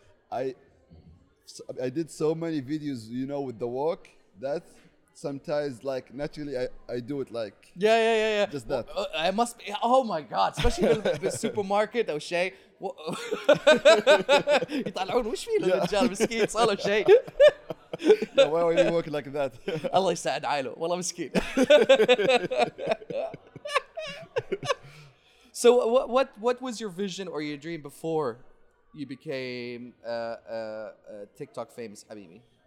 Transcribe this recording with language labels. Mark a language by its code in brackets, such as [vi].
[en] Because I did so many videos, you know, with the walk that sometimes like naturally I do it like yeah just that. I must be, oh my god, especially the supermarket or Shay. [ar] يطلعون وش في الرجال مسكين صار له شيء. [en] Why are you working like that? [ar] الله يساعد عائله والله مسكين. [en] So what was your vision or your dream before you became TikTok famous, habibi?